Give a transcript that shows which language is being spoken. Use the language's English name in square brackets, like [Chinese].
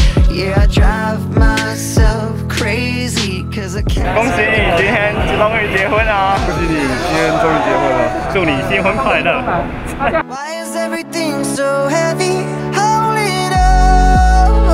[English] Yeah, I drive myself crazy. [Chinese] 恭喜你今天终于结婚了！恭喜你今天终于结婚了！祝你新婚快乐！ [English] Why is everything so heavy? Hold it up.